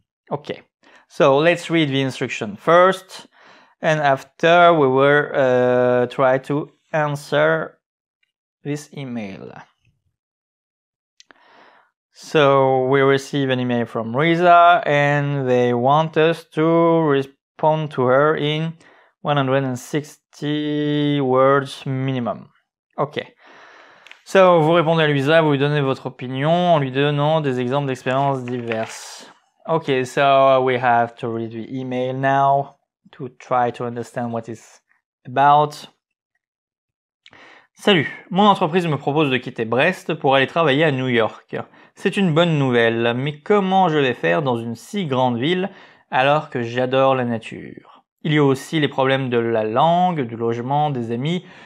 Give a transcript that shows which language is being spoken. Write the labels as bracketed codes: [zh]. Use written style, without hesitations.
[en] Okay, so let's read the instruction first. And after we will try to answer this email. So we receive an email from Louisa and they want us to respond to her in 160 words minimum. Ok. [fr] So, vous répondez à Louisa, vous lui donnez votre opinion en lui donnant des exemples d'expériences diverses. [en] Ok, so we have to read the email now to try to understand what it's about. [fr] Salut, mon entreprise me propose de quitter Brest pour aller travailler à New York. C'est une bonne nouvelle, mais comment je vais faire dans une si grande ville alors que j'adore la nature ? Il y a aussi les problèmes de la langue, du logement, des amis.